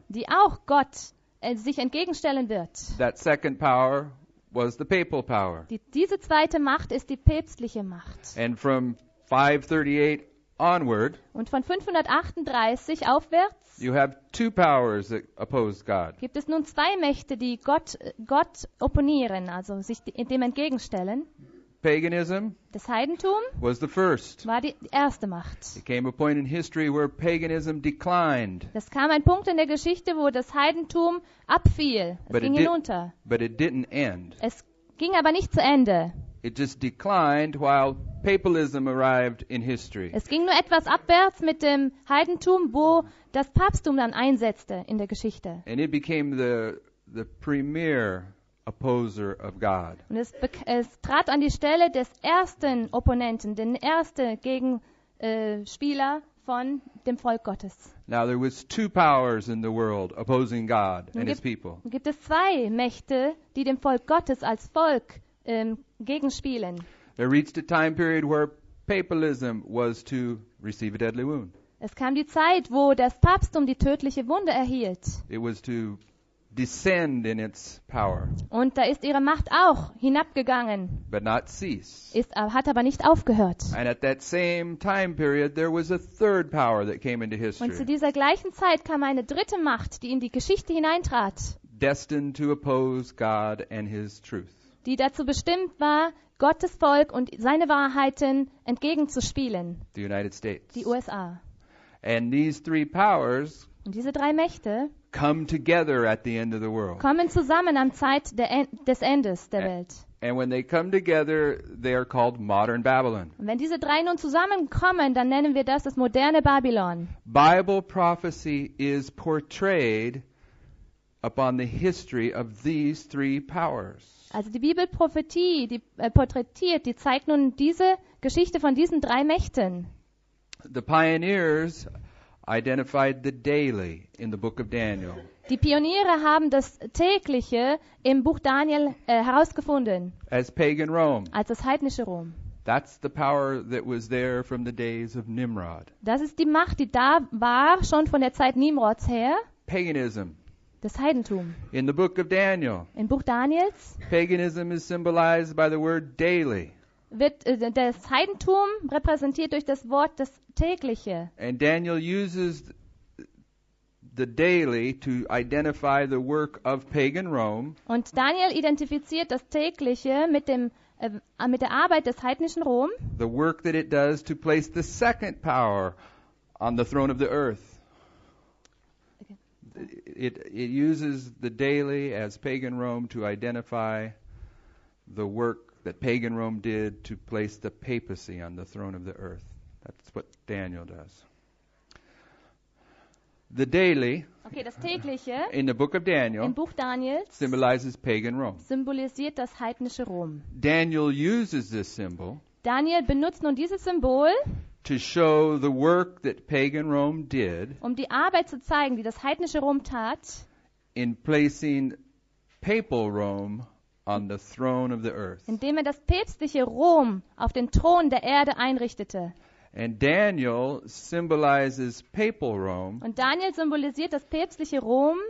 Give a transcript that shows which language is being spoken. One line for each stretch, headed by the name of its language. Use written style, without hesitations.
German: Die auch Gott sich entgegenstellen wird.
English: That second power was the papal power.
German: Diese zweite Macht ist die päpstliche Macht.
English: And from 538 onward,
German: und von 538 aufwärts,
English: you have two powers that oppose God.
German: Gibt es nun zwei Mächte, die Gott opponieren, also sich dem entgegenstellen.
English: Paganism,
German: das Heidentum,
English: was the first.
German: War die erste Macht.
English: It came a point in history where paganism declined.
German: Das kam ein Punkt in der Geschichte, wo das Heidentum abfiel.
English: But
German: es ging hinunter.
English: But it didn't end.
German: Es ging aber nicht zu Ende.
English: It just declined while papalism arrived in history.
German: Es ging nur etwas abwärts mit dem Heidentum, wo das Papsttum dann einsetzte in der Geschichte.
English: And it became the premier opposer of God.
German: Und es trat an die Stelle des ersten Opponenten, den ersten Gegenspieler von dem Volk Gottes.
English: Now there was two powers in the world opposing God and his people.
German: Gibt es zwei Mächte, die dem Volk Gottes als Volk gegenspielen.
English: There reached a time period where papalism was to receive a deadly wound.
German: Es kam die Zeit, wo das Papsttum die tödliche Wunde erhielt.
English: It was to descend in its power.
German: Und da ist ihre Macht auch hinabgegangen.
English: But not cease.
German: Hat aber nicht aufgehört.
English: And at that same time period, there was a third power that came into history.
German: Und zu dieser gleichen Zeit kam eine dritte Macht, die in die Geschichte hineintrat.
English: Destined to oppose God and His truth.
German: Die dazu bestimmt war, Gottes Volk und seine Wahrheiten entgegenzuspielen.
English: The United States.
German: Die USA.
English: And these three powers,
German: und diese drei Mächte,
English: come together at the end of the world.
German: Kommen zusammen am Zeit des Endes der Welt.
English: And when they come together, they are called modern Babylon.
German: Und wenn diese drei nun zusammenkommen, dann nennen wir das moderne Babylon.
English: Bible prophecy is portrayed upon the history of these three powers.
German: Also die Bibelprophetie, die porträtiert, die zeigt nun diese Geschichte von diesen drei Mächten.
English: The pioneers identified the daily in the book of Daniel.
German: Die Pioniere haben das tägliche im Buch Daniel herausgefunden.
English: As pagan Rome.
German: Als das heidnische Rom.
English: That's the power that was there from the days of Nimrod.
German: Das ist die Macht, die da war schon von der Zeit Nimrods her.
English: Paganism.
German: Das Heidentum.
English: In the book of Daniel.
German: Im Buch Daniels.
English: Paganism is symbolized by the word daily.
German: Wird das Heidentum repräsentiert durch das Wort das tägliche.
English: And Daniel uses the daily to identify the work of pagan Rome.
German: Und Daniel identifiziert das tägliche mit dem mit der Arbeit des heidnischen Rom.
English: The work that it does to place the second power on the throne of the earth. It uses the daily as pagan Rome to identify the work that pagan Rome did to place the papacy on the throne of the earth. That's what Daniel does. The daily,
German: okay, das tägliche,
English: in the book of Daniel,
German: im Buch Daniels,
English: symbolizes pagan Rome.
German: Symbolisiert das heidnische Rom.
English: Daniel uses this symbol.
German: Daniel benutzt nun dieses Symbol.
English: To show the work that pagan Rome did,
German: die Arbeit zu zeigen, die das heidnische Rom tat,
English: in placing papal Rome on the throne of the earth,
German: indem das päpstliche Rom auf den Thron der Erde einrichtete.
English: And Daniel symbolizes papal Rome,
German: und Daniel symbolisiert das päpstliche Rom,